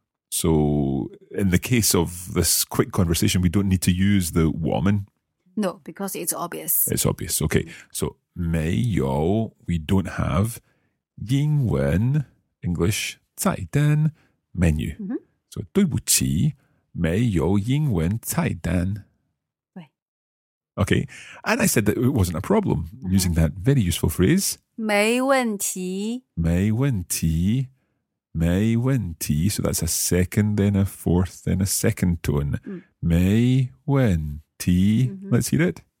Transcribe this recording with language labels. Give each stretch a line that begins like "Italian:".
English: So in the case of this quick conversation, we don't need to use the 我们. No, because it's obvious. It's obvious. Okay, so 没有, we don't have, 英文, English, 菜单, menu.
Chinese: So 对不起, 没有英文菜单.
English: Okay, and I said that it wasn't a problem, using that very useful phrase.
Chinese: 没问题. 没问题.没问题.
English: So that's a second, then a fourth, then a second tone.
Chinese: 没问题.
English: Let's hear it.